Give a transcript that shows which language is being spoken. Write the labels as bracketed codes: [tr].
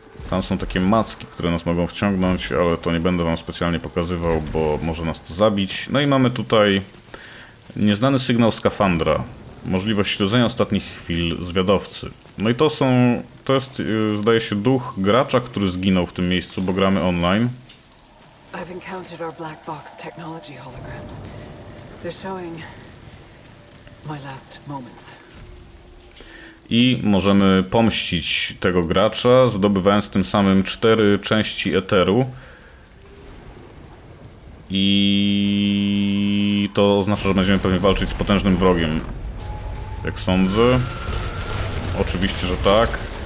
[pl] Tam są takie macki, które nas mogą wciągnąć, ale to nie będę wam specjalnie pokazywał, bo może nas to zabić. No i mamy tutaj nieznany sygnał skafandra. Możliwość śledzenia ostatnich chwil zwiadowcy. No i to jest, zdaje się, duch gracza, który zginął w tym miejscu, bo gramy online. [en] I've encountered our black box technology holograms. They're showing my last moments. [pl] I możemy pomścić tego gracza, zdobywając tym samym 4 części eteru. I to oznacza, że będziemy pewnie walczyć z potężnym wrogiem. Jak sądzę. Oczywiście, że tak.